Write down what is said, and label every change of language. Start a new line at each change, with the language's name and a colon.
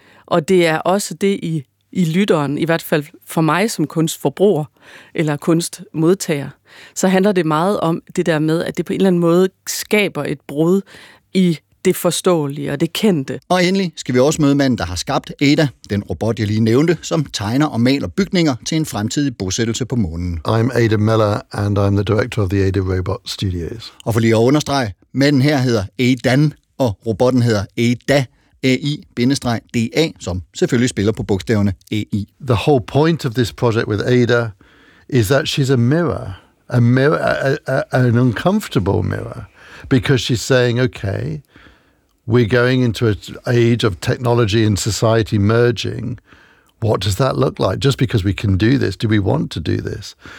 Danish: Og det er også det i lytteren, i hvert fald for mig som kunstforbruger eller kunstmodtager. Så handler det meget om det der med, at det på en eller anden måde skaber et brud i det forståelige og det kendte. Og endelig skal vi også møde manden, der har skabt Ada, den robot, jeg lige nævnte, som tegner og maler bygninger til en fremtidig bosættelse på månen.
English: I'm Ada Meller, and I'm the director of the Ada Robot Studios.
Danish: Og for lige at understrege, manden her hedder Adan, og robotten hedder Ada, AI-DA, som selvfølgelig spiller på bogstaverne AI.
English: The whole point of this project with Ada is that she's a mirror a mirror, an uncomfortable mirror, because she's saying, okay, we're going into an age of technology and society merging. What does that look like? Just because we can do this, do we want to do this?